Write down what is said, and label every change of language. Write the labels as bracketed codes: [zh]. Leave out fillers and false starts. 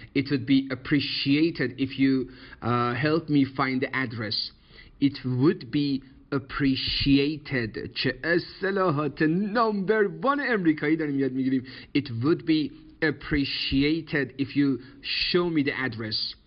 [en] It would be appreciated if you help me find the address. It would be appreciated. [fa] چه اصطلاحات نمبر وان امریکایی داریم یاد میگیریم. [en] It would be appreciated if you show me the address.